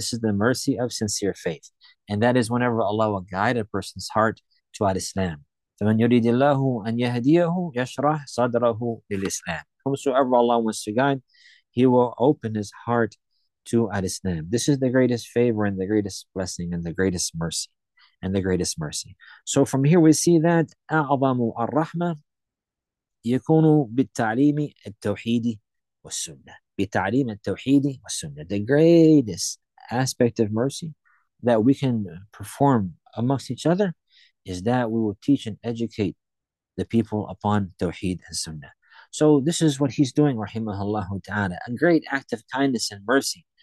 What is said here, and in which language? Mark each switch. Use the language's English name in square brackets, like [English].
[English] This is the mercy of sincere faith. And that is whenever Allah will guide a person's heart to Al-Islam. [Arabic] فَمَنْ يُرِدِ اللَّهُ أَنْ يَهْدِيَهُ يَشْرَحْ صَدْرَهُ لِلْإِسْلَامِ. [English] Whomsoever Allah wants to guide, He will open His heart to Al-Islam. This is the greatest favor and the greatest blessing and the greatest mercy. And the greatest mercy. So from here we see that [Arabic] أَعْظَمُ الرَّحْمَةِ يَكُونُ بِالتَّعْلِيمِ التَّوْحِيدِ وَالسُّنَّةِ بِالتَّعْلِيمِ التَّوْحِيدِ وَالسُّنَّةِ. [English] The greatest aspect of mercy that we can perform amongst each other is that we will teach and educate the people upon Tawheed and Sunnah. So this is what he's doing, rahimahullah ta'ala, a great act of kindness and mercy